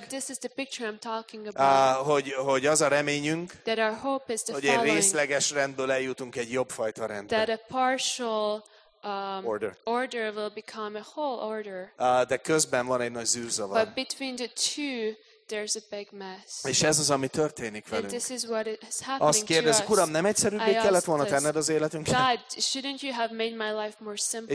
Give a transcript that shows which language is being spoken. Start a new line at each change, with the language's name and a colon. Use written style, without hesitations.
English: But this is the picture I'm talking about.
Hungarian: Hogy az a reményünk,
English: that our hope is the
Hungarian: hogy egy részleges rendből eljutunk egy jobb fajta rendbe.
English: That a partial order will become a whole order.
Hungarian: De közben van egy nagy zűrzavar.
English: But between the two, there's a big mess.
Hungarian: És ez az, ami történik velünk.
English: And this is what is happening.
Hungarian: Azt kérdez, Uram, nem egyszerűbbé kellett volna tenned az életünket?
English: God, shouldn't you have made my life more simple?